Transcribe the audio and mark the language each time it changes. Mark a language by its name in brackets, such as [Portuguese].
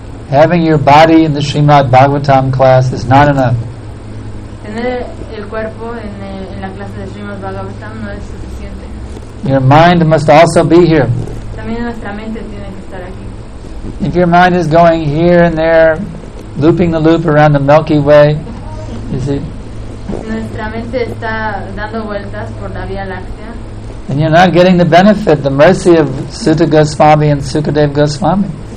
[English] Having your body in the Srimad Bhagavatam class is not enough. [Spanish] Tener el cuerpo en la clase de Srimad Bhagavatam no es suficiente. [English] Your mind must also be here. [Spanish] También nuestra mente tiene que estar aquí. [English] If your mind is going here and there, looping the loop around the Milky Way, you see? [Spanish] Nuestra mente está dando vueltas por la Vía Láctea. [English] And you're not getting the benefit, the mercy of Suta Goswami and Sukadev Goswami.